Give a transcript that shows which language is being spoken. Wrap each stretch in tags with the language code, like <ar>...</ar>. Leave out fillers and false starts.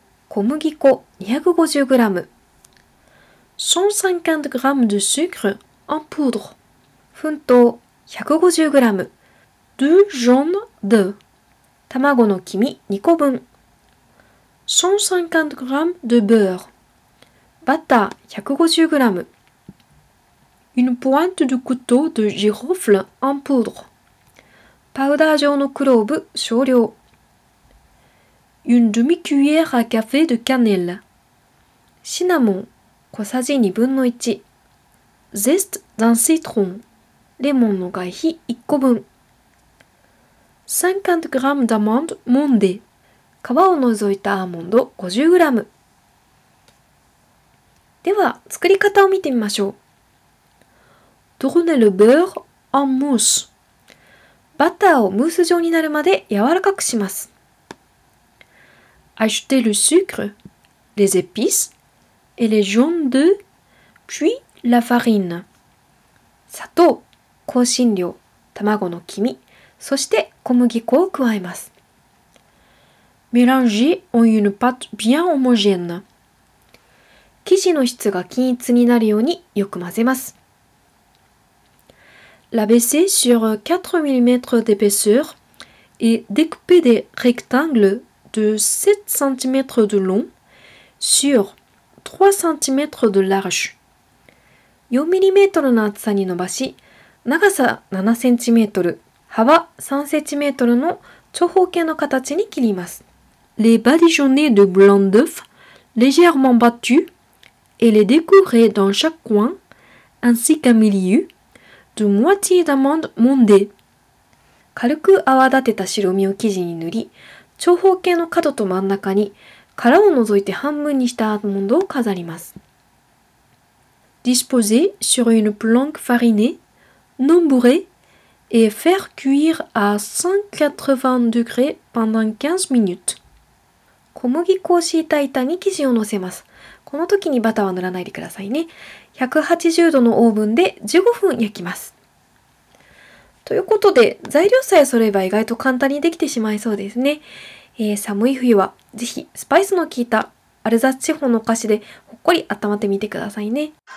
<ja>小麦粉 250g.</ja> <fr>150 g de sucre. En poudre.</fr> <ja>粉糖 150g.</ja> <fr>Deux jaunes d'œufs.</fr> <ja>卵の黄身2個分</ja> <fr>150 g de beurre.</fr> <ja>バター 150g.</ja> <fr>Une pointe de couteau de girofle en poudre.</fr> <ja>パウダー状のクローブ少量</ja> <fr>Une demi-cuillère à café de cannelle.</fr> <ja>シナモン小さじ2分の1</ja> <fr>Zeste d'un citron.</fr> <ja>レモンの外皮1個分。</ja> <fr>50 g d'amande mondée.</fr> <ja>皮を除いたアーモンド50 g. では、作り方を見てみましょう。</ja> <fr>Tournez le beurre en mousse.</fr> <ja>バターをムース状になるまで柔らかくします。</ja> <fr>Ajoutez le sucre, les épices et les jaunes d'œufs, puis la farine.</fr> <ja>砂糖、香辛料、卵の黄身、そして小麦粉を加えます。</ja> <fr>Mélangez en une pâte bien homogène.</fr> <ja>生地の質が均一になるようによく混ぜます。</ja> <fr>L'abaissez sur 4 mm d'épaisseur et découpez des rectangles de 7 cm de long sur 3 cm de large.</fr> <ja>4ミリメートルの厚さに伸ばし、長さ7センチメートル、幅3センチメートルの長方形の形に切ります。</ja> <fr>Les badigeonner de blanc d'œuf, légèrement battu, et les découper dans chaque coin, ainsi qu'un milieu, de moitié d'amande mondée.</fr> <ja>軽く泡立てた白身を生地に塗り、長方形の角と真ん中に殻を除いて半分にしたアーモンドを飾ります。</ja> <fr>Disposer sur une planque farinée, non bourrée, et faire cuire à 180 degrés pendant 15 minutes.</fr> <ja>小麦粉を敷いた板に生地を乗せます。この時にバターは塗らないでくださいね。 180度のオーブンで15分焼きます。ということで、材料さえ揃えば意外と簡単にできてしまいそうですね。寒い冬はぜひスパイスの効いたアルザス地方のお菓子でほっこり温まってみてくださいね。</ja>